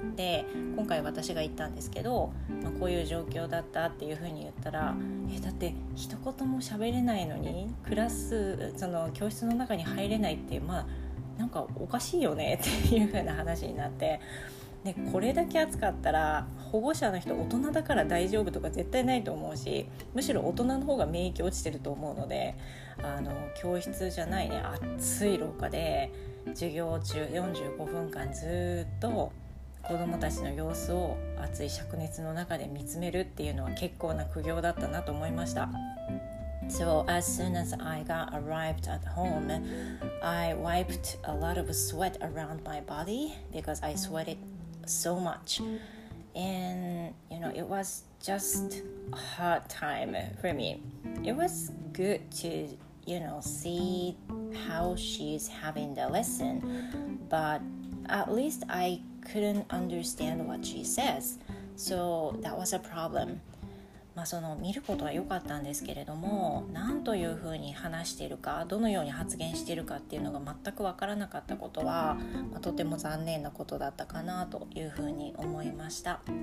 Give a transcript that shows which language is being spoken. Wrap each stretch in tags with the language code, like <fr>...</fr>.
<ja>で、今回私が行ったんですけど、こういう状況だったっていうふうに言ったら、だって一言も喋れないのに、クラス、その教室の中に入れないって、なんかおかしいよねっていうふうな話になって、で、これだけ暑かったら保護者の人、大人だから大丈夫とか絶対ないと思うし、むしろ大人の方が免疫落ちてると思うので、教室じゃないね、暑い廊下で授業中45分間ずっと子どもたちの様子を熱い灼熱の中で見つめるっていうのは結構な苦行だったなと思いました。</ja> <en>So as soon as I got arrived at home, I wiped a lot of sweat around my body because I sweated so much, and you know, it was just a hard time for me. It was good to, you know, see how she's having the lesson, but at least I couldn't understand what she says, so that was a problem.</en> <ja>その見ることは良かったんですけれども、なんというふうに話しているか、どのように発言しているかっていうのが全く分からなかったことは、とても残念なことだったかなというふうに思いました。</ja>